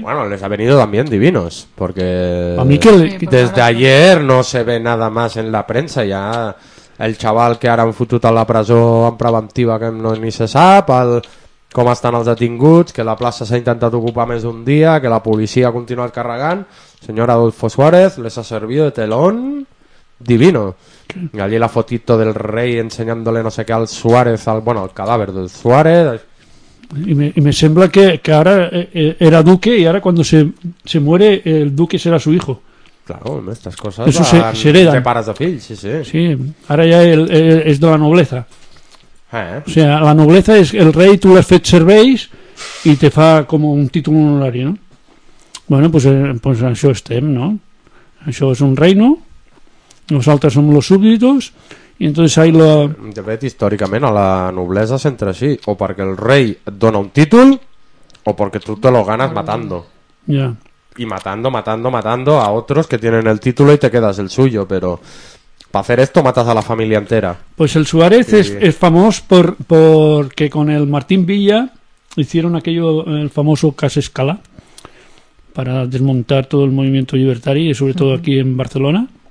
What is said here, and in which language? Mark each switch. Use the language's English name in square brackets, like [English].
[Spanish] Bueno, les ha venido también divinos, porque a mí que desde ayer no se ve nada más en la prensa, ya el chaval que [Catalan] ara han fotut a la presó en preventiva, que no ni se sap el com estan els detinguts, que la plaça s'ha intentat ocupar més d'un dia, que la policia ha continuat carregant. [Spanish] Senyor Adolfo Suárez, les ha servido de telón divino. ¿Qué? Allí la fotito del rey enseñándole no sé qué al Suárez, al, bueno, al cadáver del Suárez. [Catalan] Y me sembla que ara era duque i ara quan [Spanish] se muere el duque [Catalan] serà [Spanish] su hijo. Claro, estas cosas eso se heredan. [Catalan] Te paras de fill, sí, sí. Sí, ara ja és de la nobleza. ¿Eh? [Spanish] O sea, la nobleza es el rey, tú le has [Catalan] fet serveis [Spanish] y [Catalan] te fa [Spanish] como un título honorario, ¿no? [Catalan] Bueno, pues això estem, ¿no? Això és un reino, nosaltres som [Spanish] los súbditos, [Catalan] i [Spanish] entonces ahí la... [Catalan] De fet, històricament, a la noblesa s'entra així, o perquè el rei et dona un títol, o perquè tu [Spanish] te lo ganas matando. Ya. Yeah. Y matando a otros que tienen el título y te quedas el suyo, pero... Para hacer esto matas a la familia entera. Pues el Suárez sí. es famoso porque con el Martín Villa hicieron aquello, el famoso Casa Escala, para desmontar todo el movimiento libertario y sobre todo aquí en Barcelona.